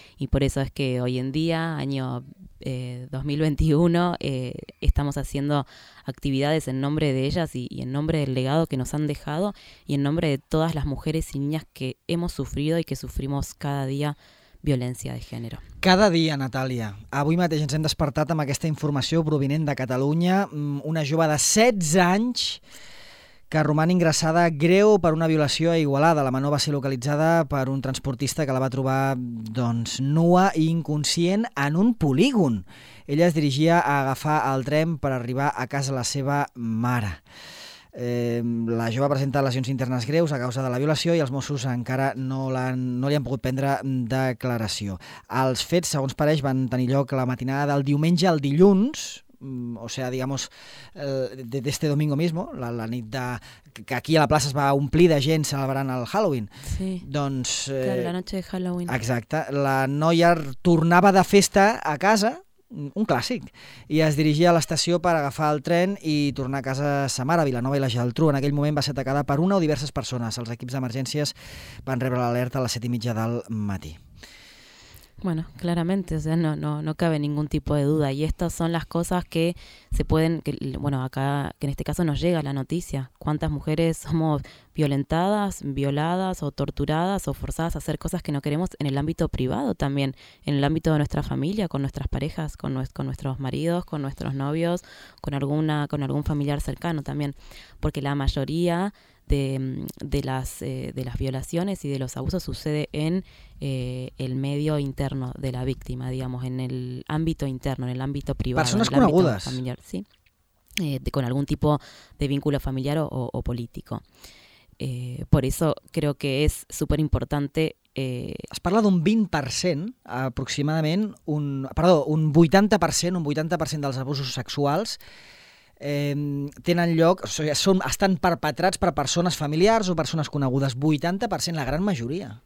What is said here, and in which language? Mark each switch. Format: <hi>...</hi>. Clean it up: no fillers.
<es>Y por eso es que hoy en día, año 2021, estamos haciendo actividades en nombre de ellas y en nombre del legado que nos han dejado y en nombre de todas las mujeres y niñas que hemos sufrido y que sufrimos cada día</es> <ca>violència de gènere. Cada dia, Natàlia. Avui mateix ens hem despertat amb aquesta informació provinent de Catalunya. Una jove de 16 anys que roman ingressada greu per una violació a Igualada. La menor va ser localitzada per un transportista que la va trobar doncs nua i inconscient en un polígon. Ella es dirigia a agafar el tren per arribar a casa la seva mare. La jove presenta lesions internes greus a causa de la violació i els Mossos encara no li han pogut prendre declaració. Els fets, segons pareix, van tenir lloc la matinada del diumenge al dilluns,</ca> <es>o sea, digamos, d'este domingo mismo,</es> <ca>la nit de, que aquí a la plaça es va omplir de gent celebrant el Halloween. Sí, doncs,</ca> <es>la noche de Halloween.</es> <ca>Exacte. La noia tornava de festa a casa, un clàssic, i es dirigia a l'estació per agafar el tren i tornar a casa sa mare, Vilanova i la Geltrú. En aquell moment va ser atacada per una o diverses persones. Els equips d'emergències van rebre l'alerta a les 7:30 del matí.</ca> <es>Bueno, claramente, o sea, no cabe ningún tipo de duda, y estas son las cosas que se pueden, que, bueno, acá, que en este caso nos llega la noticia, cuántas mujeres somos violentadas, violadas o torturadas o forzadas a hacer cosas que no queremos en el ámbito privado también, en el ámbito de nuestra familia, con nuestras parejas, con nuestros maridos, con nuestros novios, con algún familiar cercano también, porque la mayoría de las violaciones y de los abusos sucede en el medio interno de la víctima, digamos, en el ámbito interno, en el ámbito privado. Personas conocidas. Familiar, sí. Con algún tipo de vínculo familiar o político. Por eso creo que es súper importante.</es> <ca>Es parla d'un 20% aproximadament, un 80%, un 80% dels abusos sexuals tenen lloc, o sigui, estan perpetrats per persones familiars o persones conegudes, 80%, la gran majoria.</ca>